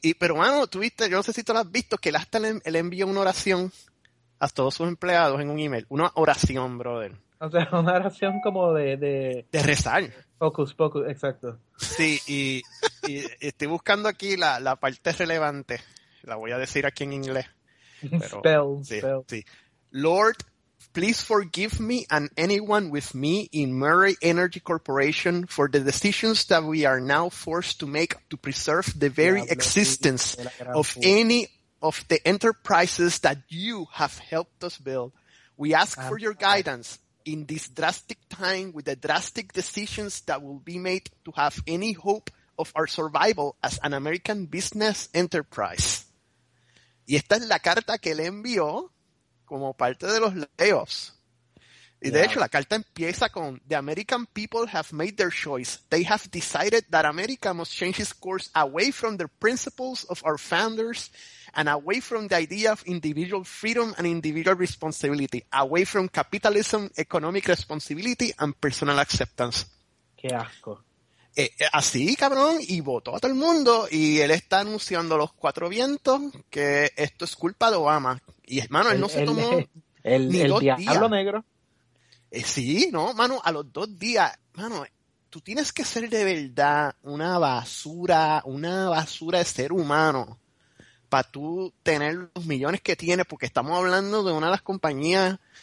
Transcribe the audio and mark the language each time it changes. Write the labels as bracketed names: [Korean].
[Spanish] Y, pero bueno, tú viste, yo no sé si tú lo has visto, que él hasta le envió una oración a todos sus empleados en un email. Una oración, brother. O sea, una oración como de rezar. [English] Focus, focus, [Spanish] exacto. Sí, y estoy buscando aquí la parte relevante. La voy a decir aquí en inglés. Pero, spell, sí, Lord [English] Please forgive me and anyone with me in Murray Energy Corporation for the decisions that we are now forced to make to preserve the very existence of any of the enterprises that you have helped us build. We ask for your guidance in this drastic time with the drastic decisions that will be made to have any hope of our survival as an American business enterprise. [Spanish] Y esta es la carta que le envió como parte de los layoffs. Y de hecho, la carta empieza con [English] "The American people have made their choice. They have decided that America must change its course away from the principles of our founders and away from the idea of individual freedom and individual responsibility, away from capitalism, economic responsibility, and personal acceptance." [Spanish] ¡Qué asco! Así, cabrón, y votó a todo el mundo, y él está anunciando a los cuatro vientos que esto es culpa de Obama. Y, hermano, él no se tomó ni dos días. El diablo negro. Sí, no, mano, a los dos días. Mano, tú tienes que ser de verdad una basura de ser humano, para tú tener los millones que tienes, porque estamos hablando de una de las compañías.